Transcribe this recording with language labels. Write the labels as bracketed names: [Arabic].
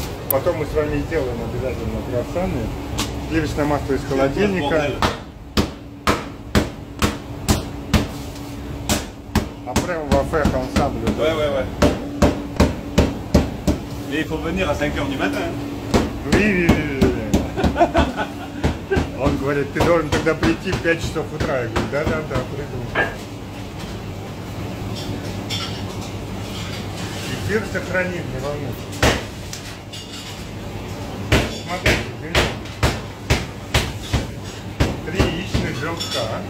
[Russian] Потом мы с вами сделаем обязательно круассаны. Сливочное масло из холодильника. А прямо в аффект ансамбле. [French] Mais il faut venir à 5h du matin. Oui. [Russian] Он говорит, ты должен тогда прийти в 5 часов утра. Я говорю, да, приду. Эфир сохранит, не волнуйся. Смотрите, берем 3 яичных желтка.